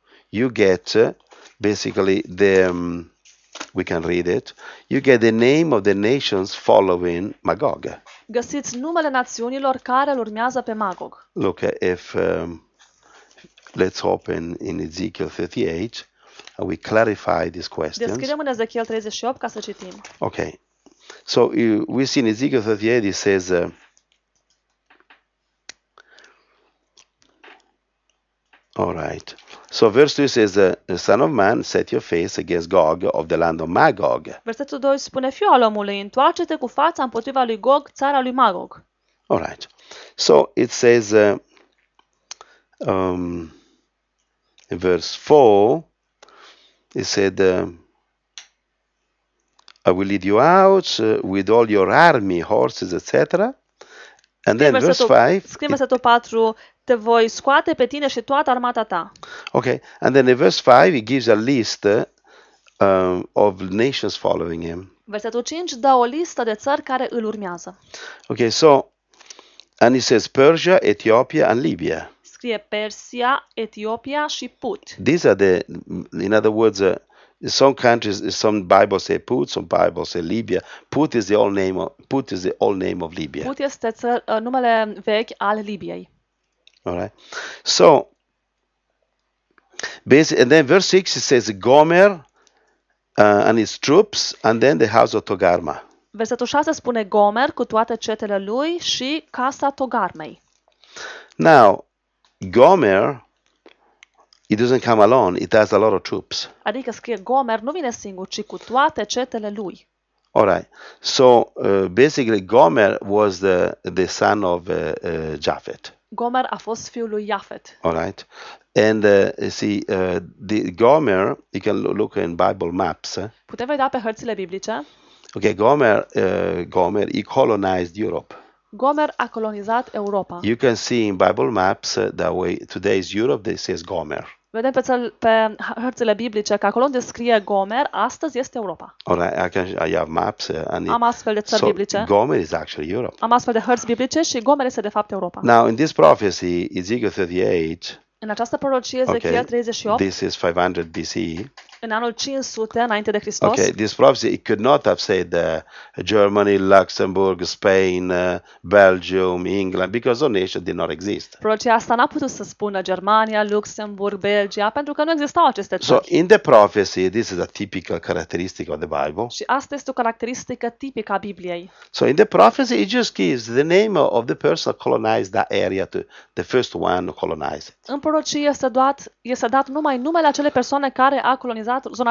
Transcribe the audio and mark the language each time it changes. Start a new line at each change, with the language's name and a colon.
English: You get basically the we can read it. You get the name of the nations following Magog.
Romanian: Găsiți numele națiunilor care îl urmează pe Magog.
English: Look, if let's open in Ezekiel 38 and we clarify this question.
Romanian: Deschidem în Ezekiel 38 ca să citim.
English: Okay. So we see in Ezekiel 38 it says all right. So verse 2 says, Son of man, set your face against Gog of the land of Magog.
Romanian: Versetul 2 spune, Fiul al omului, întoarce-te cu fața împotriva lui Gog, țara lui Magog.
English: All right. So it says, in verse 4, it said, I will lead you out with all your army, horses, etc. And then verse 5,
Romanian: scrie versetul 4, te voi scoate pe tine și toată armata ta.
English: Okay, and then in verse 5 it gives a list of nations following him.
Romanian: Versetul 5 dă o listă de țări care îl urmează.
English: Okay, so and it says Persia, Ethiopia and Libya.
Romanian: Scrie Persia, Ethiopia și Put.
English: These are the in other words some countries some Bible say Put, some Bible say Libya. Put is the old name of Put is the old name of Libya.
Romanian: Put este numele vechi al Libiei.
English: All right. So, basically, and then verse 6 it says Gomer and his troops and then the house of Togarma.
Romanian: Versetul 6 spune Gomer cu toate cetele lui și casa Togarmei.
English: Now, Gomer it doesn't come alone, it has a lot of troops.
Romanian: Adică scrie Gomer nu vine singur, ci cu toate cetele lui.
English: All right. So, basically Gomer was the son of Japhet.
Romanian: Gomer a fost fiul lui Japhet.
English: All right. And the Gomer, you can look in Bible maps.
Romanian: Putem vedea pe hărțile biblice.
English: Okay, Gomer he colonized Europe.
Romanian: Gomer a colonizat Europa.
English: You can see in Bible maps that way today's Europe they says Gomer.
Romanian: Vedem pe hărțile biblice că acolo unde scrie Gomer, astăzi este Europa.
English: All right, I have maps.
Romanian: Am astfel de țări biblice.
English: So Gomer is actually Europe.
Romanian: Am astfel de hărți biblice și Gomer este de fapt Europa.
English: Now, in this prophecy, Ezekiel 38,
Romanian: în această prorocie, Ezekiel 38,
English: this is 500 BC,
Romanian: în anul 500 înainte de Hristos,
English: okay, this prophecy, it could not have said Germany, Luxembourg, Spain, Belgium, England, because those nations did not exist.
Romanian: Prorocia asta n-a putut să spună Germania, Luxembourg, Belgia, pentru că nu existau aceste țări.
English: So, in the prophecy, this is a typical characteristic of the Bible.
Romanian: Și asta este o caracteristică tipică a Bibliei.
English: So, in the prophecy, it just gives the name of the person who colonized that area to the first one who colonized it.
Romanian: În prorocie este dat numai numele acelei persoane care a colonizat zona